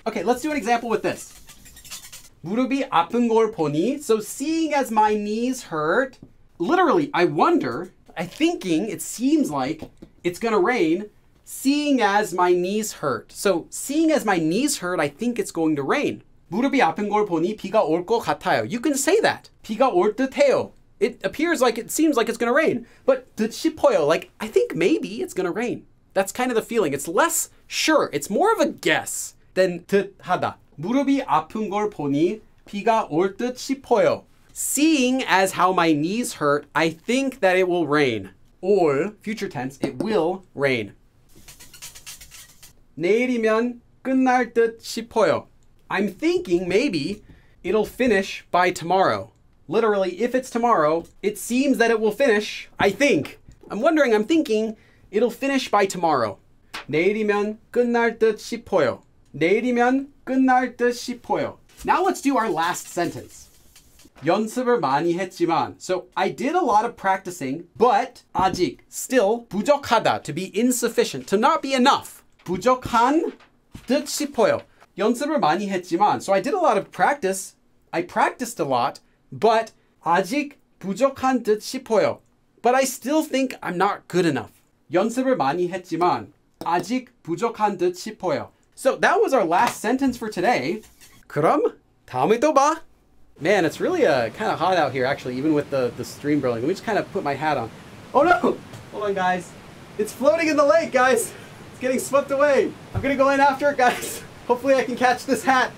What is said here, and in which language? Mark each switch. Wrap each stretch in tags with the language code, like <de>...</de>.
<en>Okay, let's do an example with this.</en> <ko>무릎이 아픈 걸 보니,</ko> <en>so seeing as my knees hurt, literally, I wonder, I'm thinking, it seems like it's gonna rain, seeing as my knees hurt. So seeing as my knees hurt, I think it's going to rain.</en> <ko>무릎이 아픈 걸 보니 비가 올 것 같아요.</ko> <en>You can say that.</en> <ko>비가 올 듯해요.</ko> <en>It appears like it seems like it's gonna rain. But 싶어요, like I think maybe it's gonna rain. That's kind of the feeling. It's less sure. It's more of a guess than 듯하다.</en> <ko>무릎이 아픈 걸 보니 비가 올 듯 싶어요.</ko> <en>Seeing as how my knees hurt, I think that it will rain. Or future tense, it will rain.</en> <ko>내일이면 끝날 듯 싶어요.</ko> <en>I'm thinking maybe it'll finish by tomorrow. Literally, if it's tomorrow, it seems that it will finish, I think. I'm thinking it'll finish by tomorrow.</en> <ko>내일이면 끝날 듯 싶어요. 내일이면 끝날 듯 싶어요.</ko> <en>Now let's do our last sentence.</en> <ko>연습을 많이 했지만.</ko> <en>So I did a lot of practicing, but 아직, still, 부족하다, to be insufficient, to not be enough.</en> <ko>부족한 듯 싶어요. 연습을 많이 했지만.</ko> <en>So I did a lot of practice. I practiced a lot, but</en> <ko>아직 부족한 듯 싶어요.</ko> <en>But I still think I'm not good enough.</en> <ko>연습을 많이 했지만 아직 부족한 듯 싶어요.</ko> <en>So that was our last sentence for today.</en> <ko>그럼 다음에 또 봐.</ko> <en>Man, it's really kind of hot out here, actually, even with the stream burning. Let me just kind of put my hat on. Oh, no. Hold on, guys. It's floating in the lake, guys. It's getting swept away. I'm going to go in after it, guys. Hopefully I can catch this hat.</en>